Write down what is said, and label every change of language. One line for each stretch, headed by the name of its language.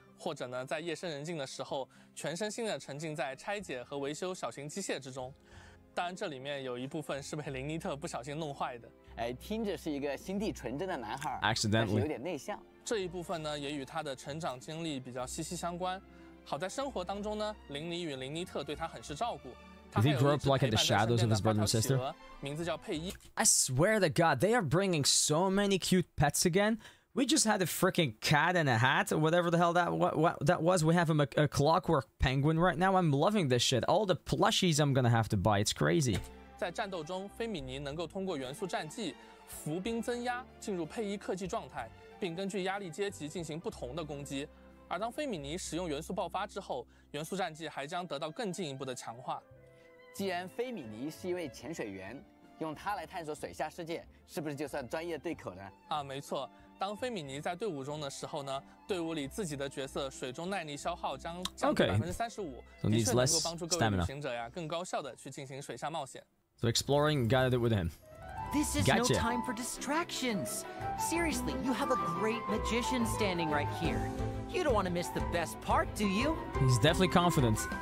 Chinese: 或者呢在夜深人静的时候全身心地沉浸在拆解和维修小型机械之中。当然这里面有一部分是被林妮特不小心弄坏的。哎，听着是一个心地纯真的男孩，
English: Accidentally.
Chinese: 但是有点内向。这一部分呢也与他的成长经历比较息息相关。好在生活当中呢，林妮与林妮特对他很是照顾。
English: Did he grow up like in the shadows of his brother and sister? I swear to God, they are bringing so many cute pets again. We just had a freaking cat and a hat, or whatever the hell that was. We have a clockwork penguin right now. I'm loving this shit. All the plushies I'm gonna have to buy, it's crazy.
Chinese: 在战斗中，菲米尼能够通过元素战技浮冰增压进入佩伊克技状态，并根据压力阶级进行不同的攻击。而当菲米尼使用元素爆发之后，元素战技还将得到更进一步的强化。既然菲米尼是一位潜水员，用他来探索水下世界，是不是就算专业对口呢？啊，没错。当菲米尼在队伍中的时候呢，队伍里自己的角色水中耐力消耗将降低35%，的确能够帮助各位旅行者呀更高效的去进行水下冒险。
English: So exploring, gotta do it with him. This is no time for distractions. Seriously, you have a great magician standing right here. You don't want to miss the best part, do you? He's definitely confident.